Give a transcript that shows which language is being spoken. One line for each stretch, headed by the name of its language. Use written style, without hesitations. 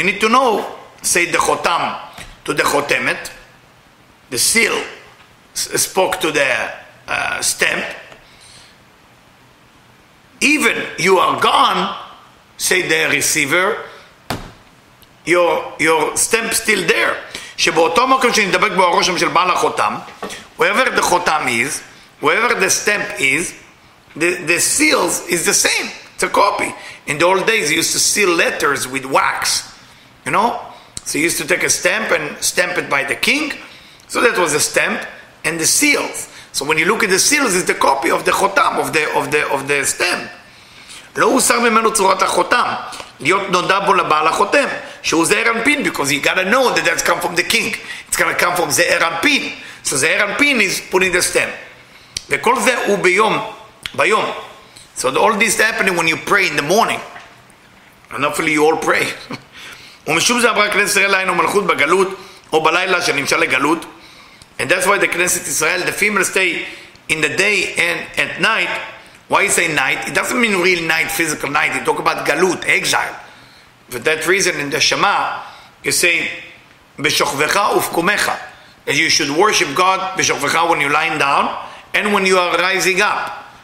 English: You need to know, say the chotam to the chotemet. The seal spoke to the stamp. Even you are gone, say the receiver, your stamp still there.
Hebrew: שבאותו מקום שנדבק בו הרושם של בעל החותם,
English: wherever the chotam is, wherever the stamp is, the seals is the same. It's a copy. In the old days, you used to seal letters with wax. You know? So you used to take a stamp and stamp it by the king. So that was the stamp and the seals. So when you look at the seals, it's the copy of the chotam, of the stamp.
Hebrew: לא הוסר ממנו צורת החותם. להיות נודע בו לבעל החותם. שהוא זהר אנפין,
English: because you gotta know that that's come from the king. It's gonna come from זהר אנפין. So זהר אנפין is putting the stamp.
Hebrew: וכל זה הוא ביום. ביום.
English: So all this happening when you pray in the morning. And hopefully you all pray.
Hebrew: ומשום זה עברה כנסת ישראל לעין ומלכות בגלות, או בלילה שנמשל לגלות.
English: And that's why the כנסת ישראל, the female stay in the day and at night. Why you say night? It doesn't mean real night, physical night. You talk about galut, exile. For that reason, in the Shema, you say, "Beshochvecha ufkumecha," and you should worship God beshochvecha when you're lying down and when you are rising up.